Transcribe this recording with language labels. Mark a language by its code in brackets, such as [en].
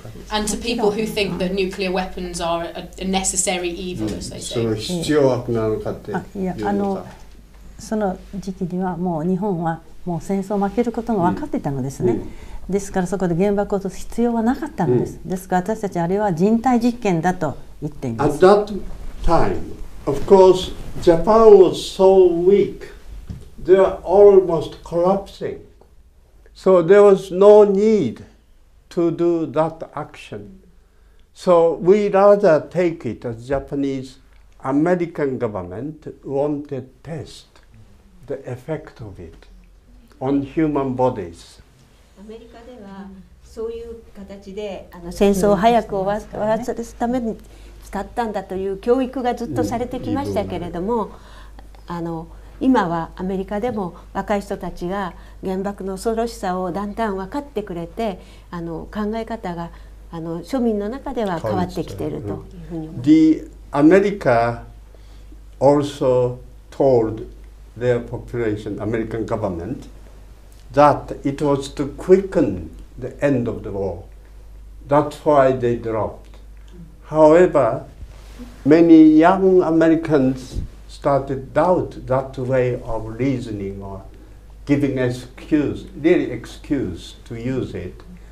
[en] And to people who think that nuclear weapons are a necessary evil, as they say. [ja] その時期にはもう日本はもう戦争を負けることが分かっていたのですね。ですからそこで原爆を落とす必要はなかったんです。ですから私たちあれは人体実験だと言っています。 [en] At that time, of course, Japan was so weak, they were almost collapsing. So there was no need to do that action. So we rather take it as Japanese American government wanted test. The effect of it on human bodies. [ja] アメリカではそういう形で戦争を早く終わらせるために使ったんだという教育がずっとされてきましたけれども、今はアメリカでも若い人たちが原爆の恐ろしさをだんだん分かってくれて、考え方が庶民の中では変わってきているというふうに思います。 [en] The America also toldTheir population, American government, that it was to quicken the end of the war. That's why they dropped. However, many young Americans started doubt that way of reasoning or giving excuse, really excuse to use it.